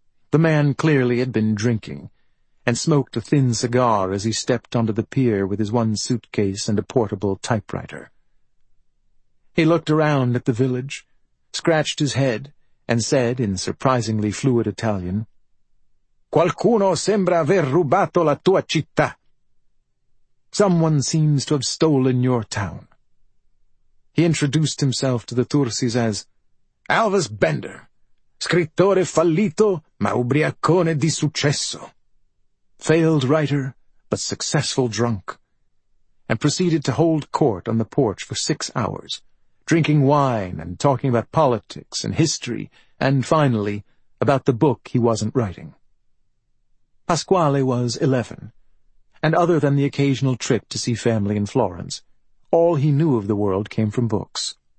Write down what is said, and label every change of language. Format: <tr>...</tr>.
<en>The man clearly had been drinking, and smoked a thin cigar as he stepped onto the pier with his one suitcase and a portable typewriter. He looked around at the village, scratched his head, and said in surprisingly fluid Italian,</en> <it>"Qualcuno sembra aver rubato la tua città."</it> <en>"Someone seems to have stolen your town." He introduced himself to the Tursis as</en> <it>Alvis Bender, scrittore fallito ma ubriacone di successo,</it> <en>failed writer but successful drunk, and proceeded to hold court on the porch for 6 hours, drinking wine and talking about politics and history and, finally, about the book he wasn't writing. Pasquale was 11. And other than the occasional trip to see family in Florence, all he knew of the world came from books.</en>